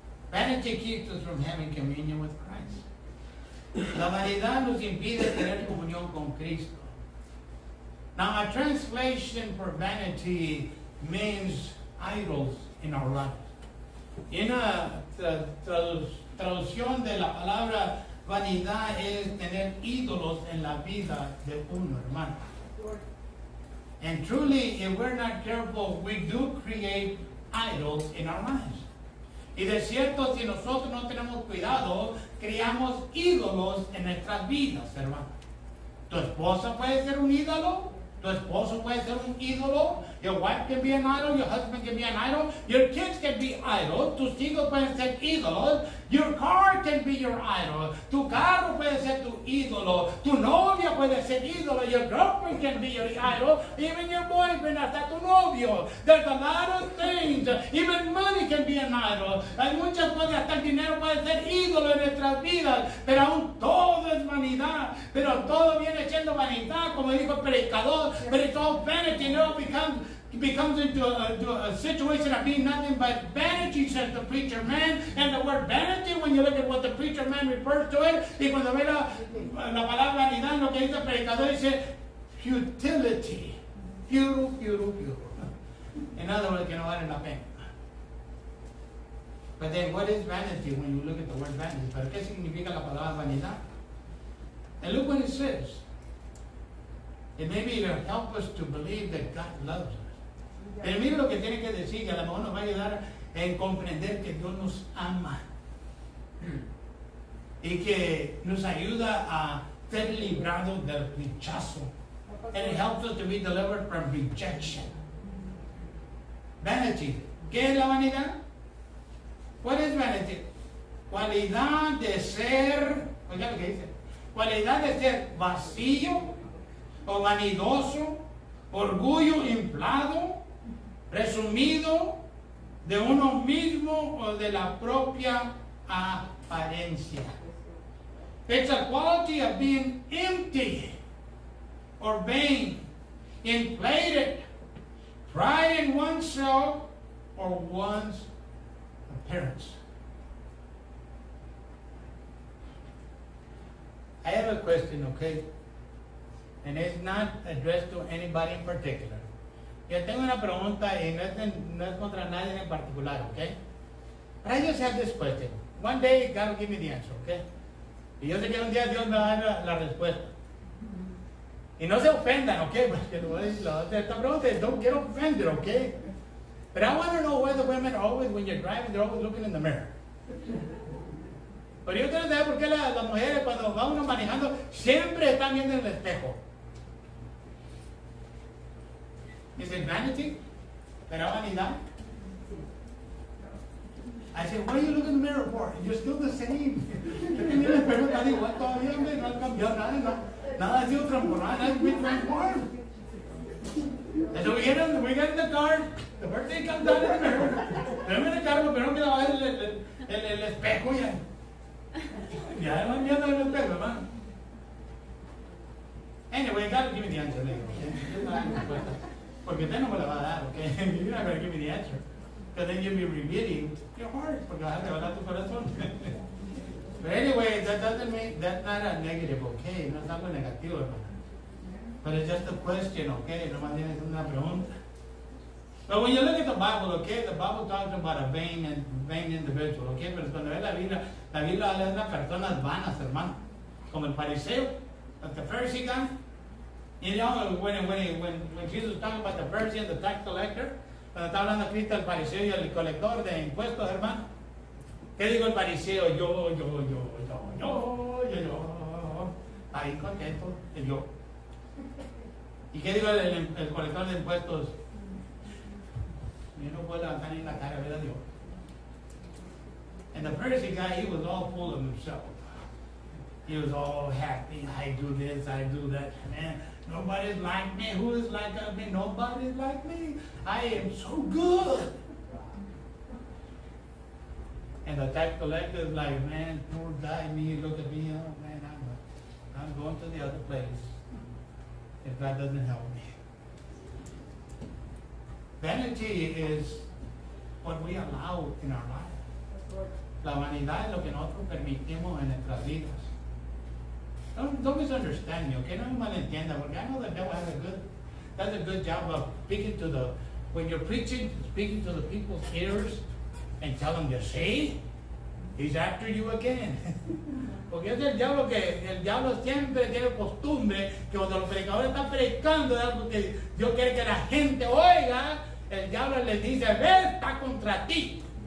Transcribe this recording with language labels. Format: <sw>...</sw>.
<en>Vanity keeps us from having communion with Christ.</en> <es>La vanidad nos impide tener comunión con Cristo.</es> <en>Now, a translation for vanity means idols in our lives.</en> <es>En la traducción de la palabra vanidad es tener ídolos en la vida de uno, hermano.</es> <en>And truly, if we're not careful, we do create idols in our minds.</en> <es>Y de cierto, si nosotros no tenemos cuidado, creamos ídolos en nuestras vidas, hermano. Tu esposa puede ser un ídolo. Tu esposo puede ser un ídolo.</es> <en>Your wife can be an idol. Your husband can be an idol. Your kids can be idols.</en> <es>Tus hijos pueden ser ídolos.</es> <en>Your car can be your idol.</en> <es>Tu carro puede ser tu ídolo. Tu novia puede ser ídolo.</es> <en>Your girlfriend can be your idol. Even your boyfriend,</en> <es>hasta tu novio.</es> <en>There's a lot of things. Even money can be an idol.</en> <es>Hay muchas cosas. Hasta el dinero puede ser ídolo en nuestras vidas. Pero aún todo es vanidad. Pero todo viene siendo vanidad, como dijo el predicador.</es> <en>But it's all vanity. It all becomes into a situation of being nothing but vanity, says the preacher man. And the word vanity, when you look at what the preacher man refers to it,</en> <es>y cuando ve la palabra vanidad, lo que dice el predicador, dice</es> <en>futility. Futile. In other words,</en> <es>que no vale la pena.</es> <en>But then, what is vanity when you look at the word vanity?</en> <es>¿Pero qué significa la palabra vanidad?</es> <en>And look what it says. It may be to help us to believe that God loves us.</en> <es>Pero mire lo que tiene que decir, que a lo mejor nos va a ayudar en comprender que Dios nos ama y que nos ayuda a ser librados del rechazo.</es> <en>And it helps us to be delivered from rejection.</en> <es>Vanity. ¿Qué es la vanidad?</es> <en>What is vanity?</en> <es>Cualidad de ser vacío o vanidoso, orgullo inflado, resumido de uno mismo o de la propia apariencia.</es> <en>It's a quality of being empty or vain, inflated, pride in oneself or one's appearance. I have a question, okay? And it's not addressed to anybody in particular.</en> <es>Yo tengo una pregunta y no es contra nadie en particular, ¿ok? Pero yo sé la respuesta.</es> <en>One day God will give me the answer,</en> <es>¿ok? Y yo sé que un día Dios me va a dar la respuesta. Y no se ofendan, ¿ok? Porque lo voy a decir, esta pregunta es,</es> <en>don't get offended,</en> <es>¿ok?</es> <en>But I want to know why the women always, when you're driving, they're always looking in the mirror.</en> <es>Pero yo quiero saber por qué las mujeres cuando va uno manejando siempre están viendo en el espejo.</es> <en>Is it vanity?</en> <es>¿Pero vanidad?</es> <en>I said, what are you looking in the mirror for? You're still the same.</en> <es>Yo tenía la pregunta, digo, todavía no ha cambiado nada. Nada ha sido transformado, nada ha sido transformado.</es> <en>And so we get in the car, the birthday comes out of the mirror.</en> <es>Pero en el carro, pero me lavaba el espejo ya. Ya no hay miedo en el espejo, hermano.</es> <en>Anyway, God will give me the answer,</en> <es>¿no? Porque usted no me la va a dar, ok?</es> <en>You're not going to give me the answer. Because then you'll be revealing your heart.</en> <es>Porque vas a revelar tu corazón.</es> <en>But anyway, that's not a negative, ok?</en> <es>No es algo negativo, hermano.</es> <en>But it's just a question, ok?</en> <es>Nomás tienes una pregunta.</es> <en>But when you look at the Bible, ok? The Bible talks about a vain individual, ok?</en> <es>Pero cuando ves la Biblia habla de unas personas vanas, hermano. Como el fariseo,</es> <en>like the Pharisee guy. You know, when Jesus was talking about the Pharisee and the tax collector,</en> <es>cuando está hablando Cristo al fariseo y al colector de impuestos, hermano, ¿qué dijo el fariseo? Yo. Ahí contento, yo. ¿Y qué dijo el colector de impuestos? Yo no puedo levantar ni la cara, ¿verdad, Dios?</es> <en>And the Pharisee guy, he was all full of himself. He was all happy. I do this, I do that, man. Nobody's like me. Who is like me? Nobody's like me. I am so good. And the tax collector is like, man, poor guy, me, look at me, oh man, I'm going to the other place if God doesn't help me. Vanity is what we allow in our life.</en> <es>La vanidad es lo que nosotros permitimos en nuestras vidas.</es> <en>Don't misunderstand me, okay?</en> <es>No me malentienda, porque</es> <en>I know the devil has a good, does a good job of speaking to the, when you're preaching, speaking to the people's ears and tell them, you see, he's after you again.</en> <es>Porque es el diablo siempre tiene costumbre que cuando los predicadores están predicando, porque Dios quiere que la gente oiga, el diablo les dice, ve, está contra ti.</es>